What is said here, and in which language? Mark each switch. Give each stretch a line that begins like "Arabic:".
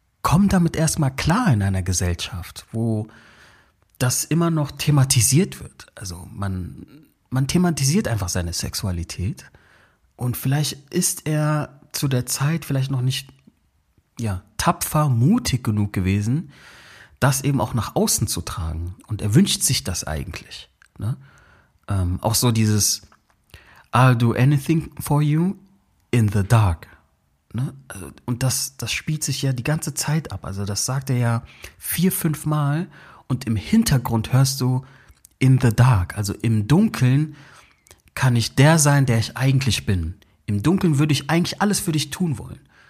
German: Komm damit erstmal klar in einer Gesellschaft, wo das immer noch thematisiert wird. Also man thematisiert einfach seine Sexualität und vielleicht ist er zu der Zeit vielleicht noch nicht tapfer, mutig genug gewesen, das eben auch nach außen zu tragen. Und er wünscht sich das eigentlich. Ne? Auch so dieses
English: I'll do anything for you in the dark.
German: Ne? Und das spielt sich ja die ganze Zeit ab. Also das sagt er ja 4-5 Mal. Und im Hintergrund hörst du
English: in the dark.
German: Also im Dunkeln kann ich der sein, der ich eigentlich bin. Im Dunkeln würde ich eigentlich alles für dich tun wollen.